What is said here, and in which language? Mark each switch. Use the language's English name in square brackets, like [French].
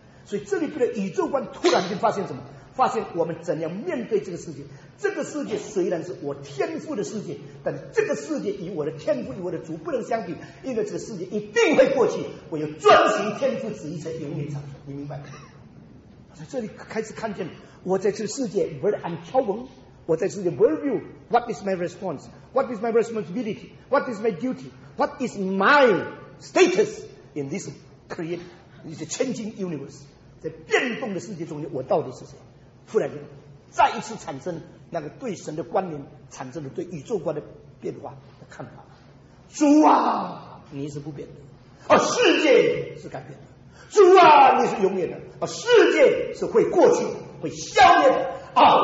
[Chinese] 所以这里边的宇宙观突然间发现什么？发现我们怎样面对这个世界。这个世界虽然是我天父的世界，但这个世界与我的天父与我的主不能相比，因为这个世界一定会过去，我要遵循天父旨意才永远长存。你明白吗？所以这里开始看见我在这个世界 [English] where I'm troubled， [Chinese] 我在世界 [English] worldview， what is my response， what is my responsibility， what is my duty， what is my status in this created this changing universe， [Chinese] 在变动的世界中间我到底是谁。突然间再一次产生那个对神的观念，产生了对宇宙观的变化的看法。主啊，你是不变的，世界是改变的，主啊，你是永远的，世界是会过去会消灭的啊！